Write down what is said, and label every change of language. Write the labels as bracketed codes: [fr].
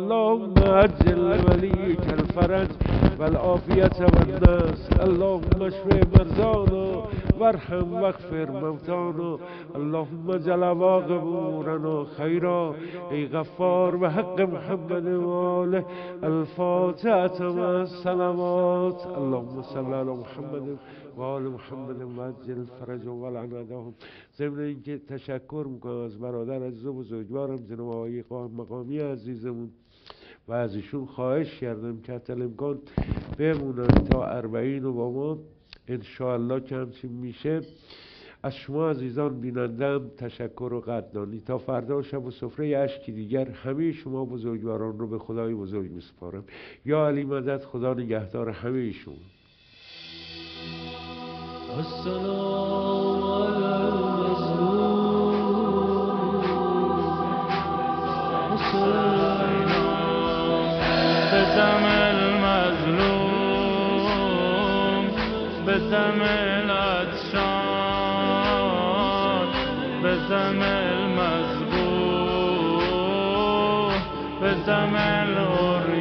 [ar] اللهم عجل لوليك الفرج والعافية والناس، اللهم اشف مرضانا وارحم واغفر موتانا، اللهم اجعل عواقبنا خيرا اي غفار بحق محمد وآله. الفاتحة مع السلامات. اللهم صل على محمد وآل محمد وعجل الفرج والعن عدهم. [fa] ضمن اینکه تشکر میکنم از برادر عزیز و بزرگوارم جناب آقای قائم مقامی عزیزمون و از ایشون خواهش کردم که حتی الامکان بمونن تا اربعین و با ما انشاءالله که همچین میشه. از شما عزیزان بینندم تشکر و قدردانی. تا فردا شب و سفره اشکی دیگر همه شما بزرگواران رو به خدای بزرگ میسپارم. یا علی مدد، خدا نگهدار همه شما. [ar] السلام على المظلوم، بسم المظلوم، بسم العطشان، بسم المذبوح، بسم الأرض.